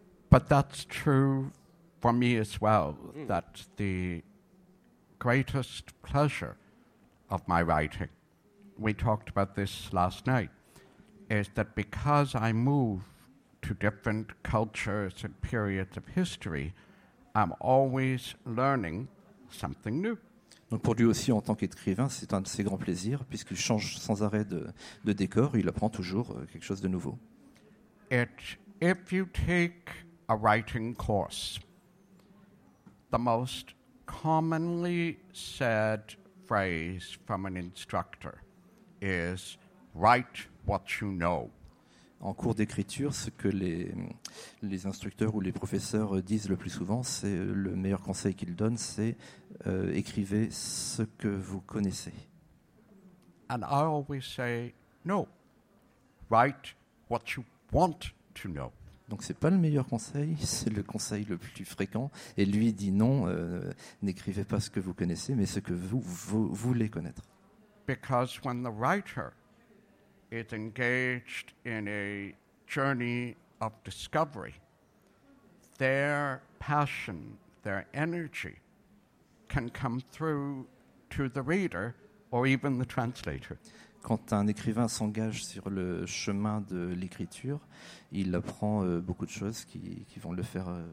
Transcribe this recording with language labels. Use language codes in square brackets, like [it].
[en] But that's true for me as well, that the greatest pleasure of my writing, we talked about this last night, is that because I move to different cultures and periods of history, I'm always learning something new. [fr] Donc pour lui aussi, en tant qu'écrivain, c'est un de ses grands plaisirs, puisqu'il change sans arrêt de décor, il apprend toujours quelque chose de nouveau. [en] If you take a writing course, the most commonly said phrase from an instructor is write what you know. [fr] En cours d'écriture, ce que les instructeurs ou les professeurs disent le plus souvent, c'est le meilleur conseil qu'ils donnent, c'est écrivez ce que vous connaissez. [en] And I always say no. Write what you want to know. [fr] Donc c'est pas le meilleur conseil, c'est le conseil le plus fréquent. Et lui dit non, n'écrivez pas ce que vous connaissez, mais ce que vous voulez connaître. [en] Because when the writer is engaged in a journey of discovery, their passion, their energy, can come through to the reader or even the translator. [fr] Quand un écrivain s'engage sur le chemin de l'écriture, il apprend beaucoup de choses qui vont le faire.